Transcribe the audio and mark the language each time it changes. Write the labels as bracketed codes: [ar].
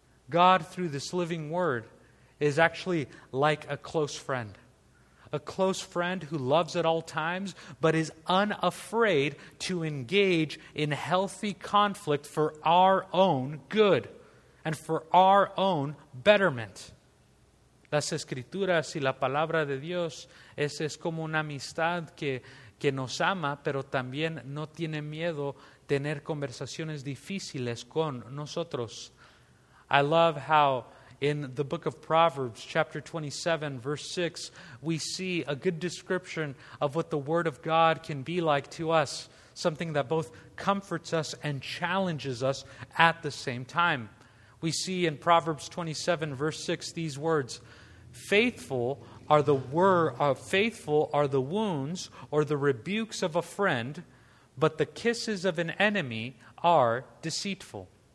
[en] God, through this living word, is actually like a close friend. A close friend who loves at all times, but is unafraid to engage in healthy conflict for our own good and for our own betterment. [es] Las escrituras y la palabra de Dios es como una amistad que nos ama, pero también no tiene miedo tener conversaciones difíciles con nosotros. [en] I love how in the book of Proverbs, chapter 27, verse 6, we see a good description of what the Word of God can be like to us, something that both comforts us and challenges us at the same time. We see in Proverbs 27, verse 6, these words, faithful are the wounds or the rebukes of a friend, but the kisses of an enemy are deceitful.